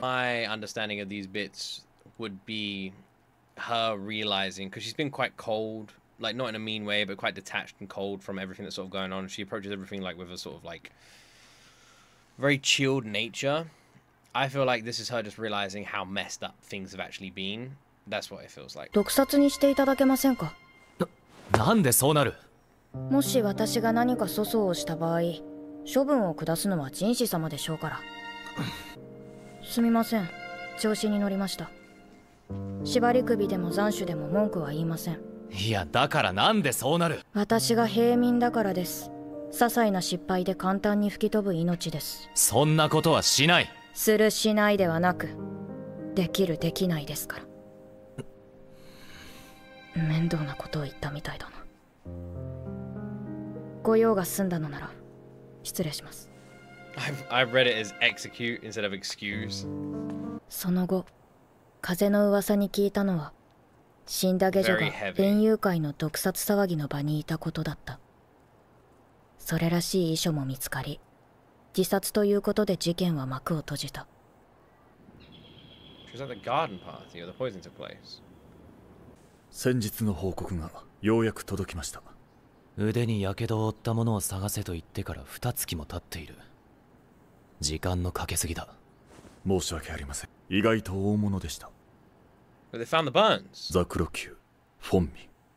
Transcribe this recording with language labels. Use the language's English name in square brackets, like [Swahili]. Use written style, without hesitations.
[English] My understanding of these bits would bebe her realizing, because she's been quite cold, like not in a mean way, but quite detached and cold from everything that's sort of going on. She approaches everything like with a sort of like very chilled nature. I feel like this is her just realizing how messed up things have actually been. That's what it feels like. [Japanese] 毒殺にしていただけませんか？なんでそうなる？もし私が何か粗相をした場合、処分を下すのは人士様でしょうから。すみません、調子に乗りました。縛り首でも斬首でも文句は言いません。いや、だからなんでそうなる？私が平民だからです。些細な失敗で簡単に吹き飛ぶ命です。そんなことはしない。するしないではなく、できるできないですから。面倒なことを言ったみたいだな。ご用が済んだのなら失礼します。 [English] I've read it as execute instead of excuse. [Japanese] その後風の噂に聞いたのは、死んだ下女が園遊会の毒殺騒ぎの場にいたことだった。それらしい遺書も見つかり、自殺ということで事件は幕を閉じた。 [English] She was at the garden party or the poison took place. [Japanese] 先日の報告がようやく届きました。腕に火傷を負った者を探せと言ってから二月も経っている。時間のかけすぎだ。申し訳ありません。意外と大物でした。 [English] But they found the bones. [Japanese] ザクロ級、フォンミン。